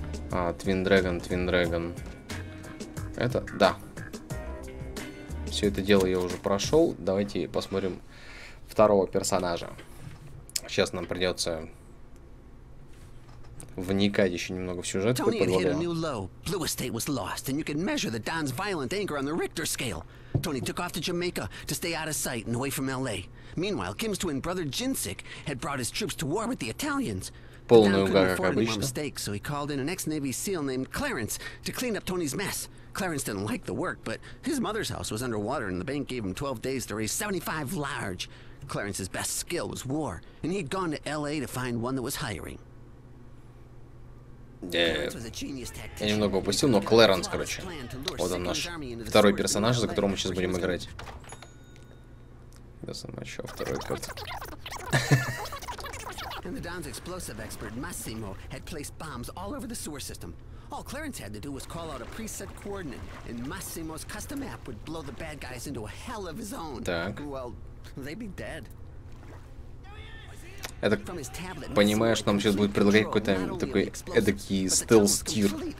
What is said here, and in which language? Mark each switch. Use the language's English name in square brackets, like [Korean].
[Russian] А, Twin Dragon, Twin Dragon. Это? Да. Все это дело я уже прошел. Давайте посмотрим второго персонажа. Сейчас нам придется вникать еще немного в сюжет, хоть под вуаля. [English] Blue Estate was lost, and you can measure the Don's violent anger on the Richter scale. Tony took off to Jamaica to stay out of sight and away from LA. Meanwhile, Kim's twin brother Jinsik had brought his troops to war with the Italians. [Russian] Полный угар, как обычно. [English] Mistake, so he called in an ex-Navy SEAL named Clarence to clean up Tony's mess. Clarence didn't like the work, but his mother's house was underwater and the bank gave him 12 days to raise 75 large. Clarence's best skill was war, and he'd gone to LA to find one that was hiring. [Russian] Я немного упустил, но Клэрэнс, короче, вот он наш второй персонаж, за которого мы сейчас будем играть. Я сам еще второй карт. [English] And the Don's explosive expert Massimo had placed bombs all over the sewer system. All Clarence had to do was call out a preset coordinate, and Massimo's custom app would blow the bad guys into a hell of his own. Так. Well, they'd be dead. [Russian] Это, понимаешь, нам сейчас будет предлагать какой-то такой эдакий стелс-тир.